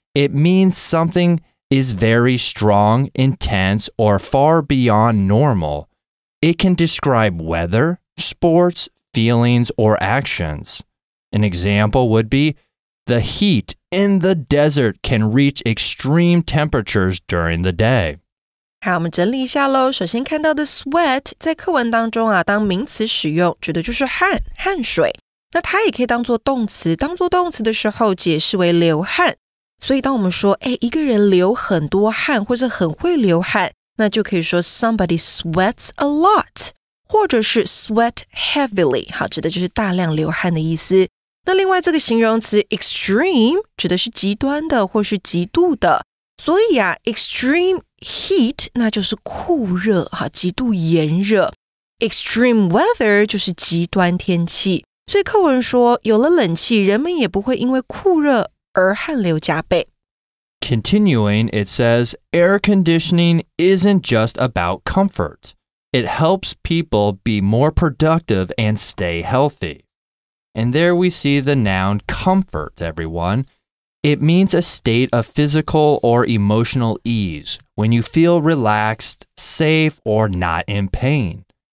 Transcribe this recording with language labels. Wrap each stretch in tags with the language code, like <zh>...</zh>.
<en>It means something is very strong, intense, or far beyond normal. It can describe weather, sports, feelings, or actions. An example would be, the heat in the desert can reach extreme temperatures during the day.</en> <zh>好，我们整理一下咯。首先看到的 sweat 在课文当中啊，当名词使用，指的就是汗，汗水。那它也可以当作动词，当作动词的时候解释为流汗。所以当我们说，哎，一个人流很多汗，或者很会流汗，那就可以说</zh> <en>somebody sweats a lot,</en> <zh>或者是</zh> <en>sweat heavily,</en> <zh>好，指的就是大量流汗的意思。那另外这个形容词 extreme, 指的是极端的或是极度的。所以啊 extreme heat, 那就是酷热，好，极度炎热。 Extreme weather 就是极端天气。所以课文说，有了冷气，人们也不会因为酷热而汗流浃背。</zh> <en>Continuing, it says, air conditioning isn't just about comfort. It helps people be more productive and stay healthy. And there we see the noun comfort, everyone. It means a state of physical or emotional ease, when you feel relaxed, safe, or not in pain.</en>